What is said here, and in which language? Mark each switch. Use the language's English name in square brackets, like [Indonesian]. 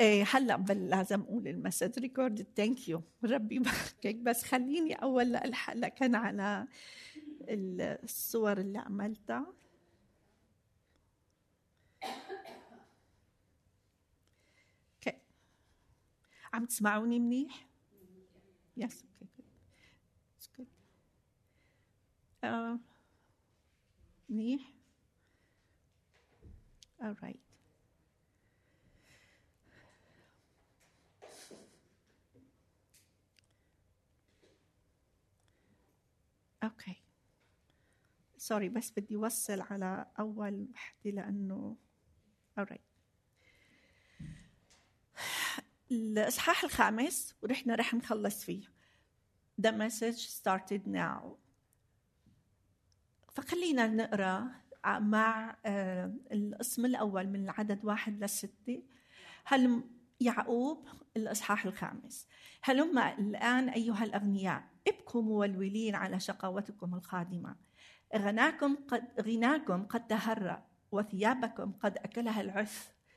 [Arabic] هلأ بل لازم أقول المسج ريكورد، [English] thank you [Arabic] ربي بخكك، بس خليني أول ألحق لكن على الصور اللي عملتها. عم تسمعوني منيح؟ [English] yes. okay. [Arabic] منيح؟ [English] all right. okay. sorry [Arabic] بس بدي وصل على أول واحدة لأنه [English] all right. [Arabic] الإصحاح الخامس ورحنا رح نخلص فيه. [English] The message started now. [Arabic] فخلينا نقرأ مع القسم الأول من العدد 1 إلى 6، هل يعقوب الإصحاح 5. هلما الآن أيها الأغنياء ابكوا مولولين على شقاوتكم القادمة، غناكم قد تهرأ وثيابكم قد أكلها العث.